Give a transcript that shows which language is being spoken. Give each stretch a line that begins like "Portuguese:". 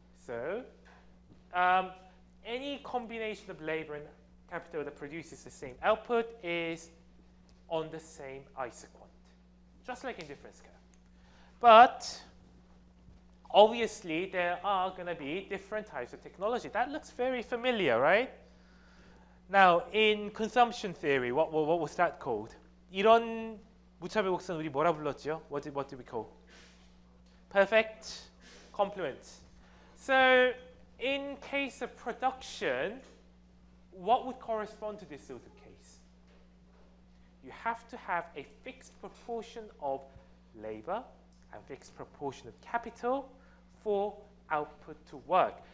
English: So, any combination of labor and capital that produces the same output is on the same isoquant, just like in difference curve. But obviously, there are gonna be different types of technology. That looks very familiar, right? Now, in consumption theory, what was that called?
Korean: 이런 무차별 곡선 우리 뭐라 불렀죠?
English: What did we call? Perfect complement. So, in case of production, what would correspond to this sort of case? You have to have a fixed proportion of labor and fixed proportion of capital for output to work.